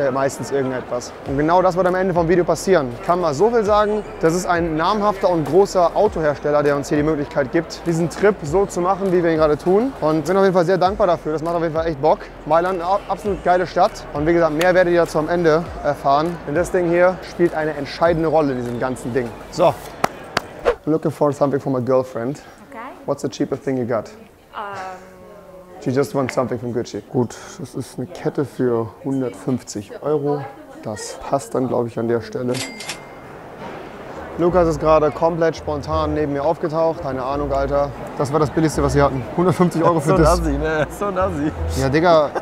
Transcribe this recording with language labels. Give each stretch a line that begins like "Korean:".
German: er meistens irgendetwas. Und genau das wird am Ende vom Video passieren. Ich kann mal so viel sagen, das ist ein namhafter und großer Autohersteller, der uns hier die Möglichkeit gibt, diesen Trip so zu machen, wie wir ihn gerade tun. Und bin auf jeden Fall sehr dankbar dafür. Das macht auf jeden Fall echt Bock. Mailand, eine absolut geile Stadt. Und wie gesagt, mehr werdet ihr dazu am Ende erfahren. Denn das Ding hier spielt eine entscheidende Rolle in diesem ganzen Ding. So.
English: I'm looking for something for my girlfriend. Okay. What's the cheapest thing you got? She just wants something from Gucci.
German: Gut, das ist eine Kette für 150 Euro. Das passt dann, glaube ich, an der Stelle. Lukas ist gerade komplett spontan neben mir aufgetaucht. Keine Ahnung, Alter. Das war das Billigste, was sie hatten. 150 Euro für so das. So nassi, ne? So nassi. Ja, Digga.